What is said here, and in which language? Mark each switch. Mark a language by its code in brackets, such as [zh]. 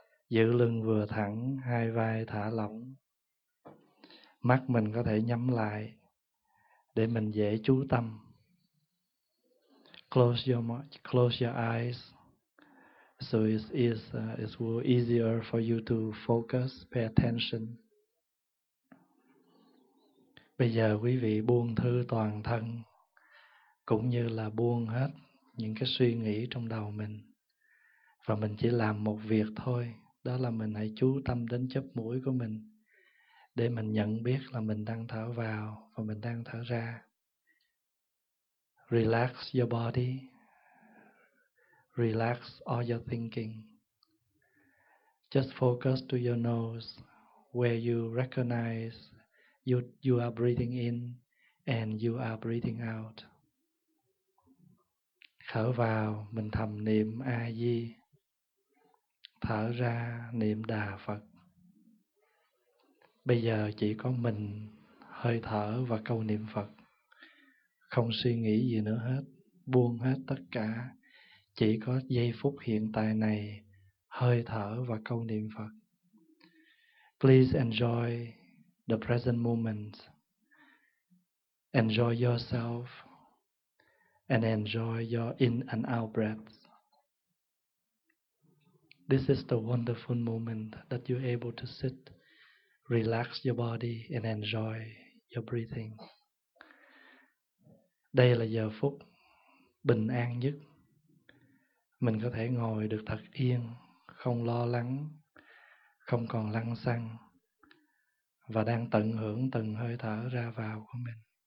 [vi] Giữ lưng vừa thẳng, hai vai thả lỏng. Mắt mình có thể nhắm lại để mình dễ chú tâm. [en] Close your eyes. So it's easier for you to focus, pay attention. [vi] Bây giờ quý vị buông thư toàn thân, cũng như là buông hết những cái suy nghĩ trong đầu mình. Và mình chỉ làm một việc thôi, đó là mình hãy chú tâm đến chóp mũi của mình, để mình nhận biết là mình đang thở vào và mình đang thở ra. [en] Relax your body. Relax all your thinking. Just focus to your nose, where you recognize you are breathing in and you are breathing out. [vi] Thở vào, mình thầm niệm A-di. Thở ra, niệm Đà Phật. Bây giờ chỉ có mình, hơi thở và câu niệm Phật. Không suy nghĩ gì nữa hết, buông hết tất cả. Chỉ có giây phút hiện tại này, hơi thở và câu niệm Phật. [en] Please enjoy the present moment. Enjoy yourself and enjoy your in and out breaths. This is the wonderful moment that you're able to sit, relax your body and enjoy your breathing. [vi] Đây là giờ phút bình an nhất. Mình có thể ngồi được thật yên, không lo lắng, không còn lăng xăng, và đang tận hưởng từng hơi thở ra vào của mình.